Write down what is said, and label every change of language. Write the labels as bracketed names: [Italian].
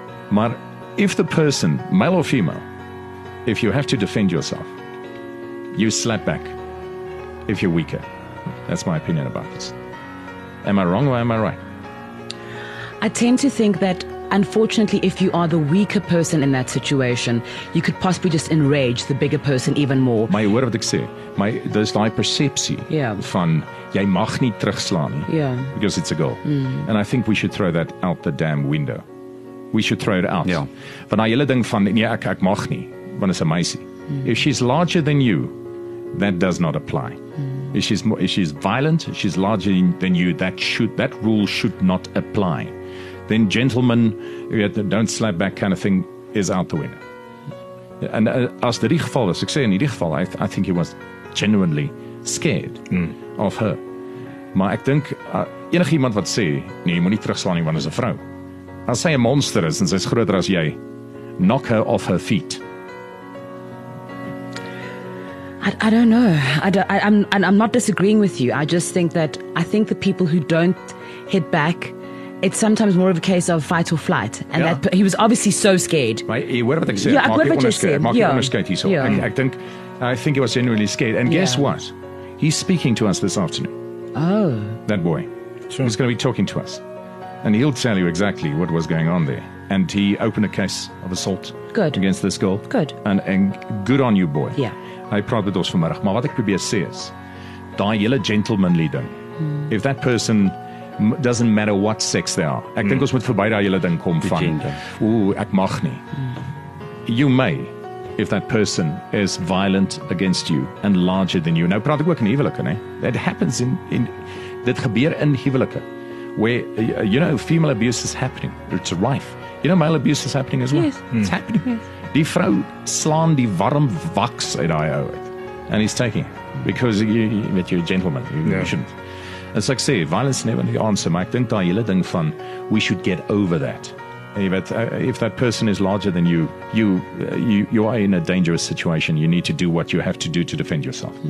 [English] But if the person, male or female, if you have to defend yourself, you slap back if you're weaker. That's my opinion about this. Am I wrong or am I right? I tend to think that, unfortunately, if you are the weaker person in that situation, you could possibly just enrage the bigger person even more. My word of the say, my there's like perception. Yeah. [Afrikaans] Van jy mag nie terugslaan. [English] Yeah. Because it's a girl. Mm. And I think we should throw that out the damn window. We should throw it out. Yeah. [Afrikaans] Van jy hele ding van nee ek mag nie, want is 'n meisie. [English] If she's larger than you, that does not apply. Mm. If she's violent, she's larger than you, that rule should not apply. Then gentlemen, don't slap back kind of thing is out the window. And as the geval was, [Afrikaans] ek sê in hierdie geval, [English] I think he was genuinely scared of her. [Afrikaans] Maar ek dink enige iemand wat sê, nee, jy moet nie terugslaan nie want is 'n vrou. As sy 'n monster is en sy's groter as jy, [English] knock her off her feet. I don't know. I'm not disagreeing with you. I think the people who don't hit back, it's sometimes more of a case of fight or flight. And that he was obviously so scared. Right. What about the Mark? What about the I think he was genuinely scared. And guess what? He's speaking to us this afternoon. Oh. That boy. Sure. He's going to be talking to us. And he'll tell you exactly what was going on there. And he opened a case of assault against this girl. Good. And good on you, boy. Yeah. [Afrikaans] Hy praat met ons vanmiddag, maar wat ek probeer sê is, daai hele gentlemanly ding, [English] if that person doesn't matter what sex they are. [Afrikaans] Ek dink ons moet verby daai hele ding kom van. Ooh, ek mag nie. [English] You may, if that person is violent against you and larger than you. [Afrikaans] Nou praat ek ook in huwelike, né? [English] That happens in [Afrikaans] dit gebeur in huwelike. [English] Where, you know, female abuse is happening. It's rife. You know, male abuse is happening as well. Yes. It's happening. Yes. [Afrikaans] Die vrou slaan die warm waks uit die ou. [English] And he's taking it. Because you're a gentleman. You shouldn't. It's like, say, violence never the answer. [Afrikaans] Maar ek dink daar hele ding van, [English] we should get over that. If that person is larger than you, you are in a dangerous situation. You need to do what you have to do to defend yourself.